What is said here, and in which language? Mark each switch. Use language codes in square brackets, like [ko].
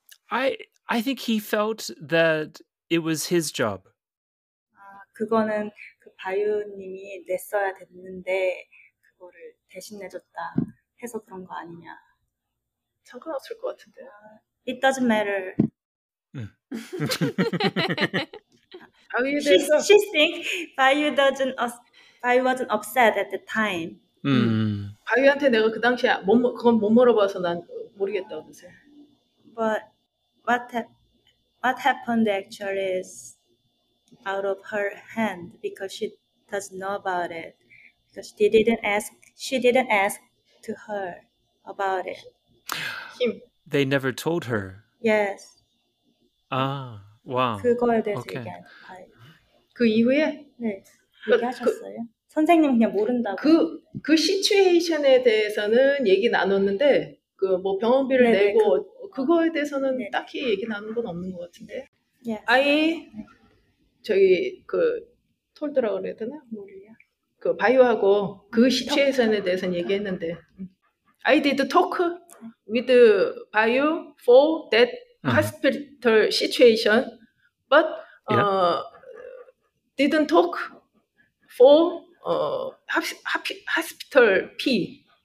[en] I think he felt that it was his job. [ko] 아, 그거는 그 바유님이 냈어야 됐는데 그거를 대신 내줬다 해서 그런 거 아니냐. 상관없을 것 같은데. [en] It doesn't matter. she thinks Bayou wasn't upset at the time. [ko] 바유한테 내가 그 당시에 그건 못 물어봐서 난 모르겠다고 그래. [en] But what happened actually is out of her hand because she doesn't know about it because she didn't ask to her about it. Him. They never told her. Yes. Ah, wow. [ko] 그거에 대해서 [en] okay. [ko] 얘기한 그 이후에 네 얘기하셨어요. 선생님 그냥 모른다고. 그 시츄에이션에 대해서는 얘기 나눴는데 그 뭐 병원비를 네네, 내고 그거에 대해서는 네네. 딱히 얘기 나눈 건 없는 것 같은데. 예. 아이 저기 그 톨드라고 그래야 되나? 모르냐. 그 바이오하고 그 시츄에이션에 대해서는 얘기했는데. [en] I did talk with Bio for that hospital situation, but didn't talk for hospital fee.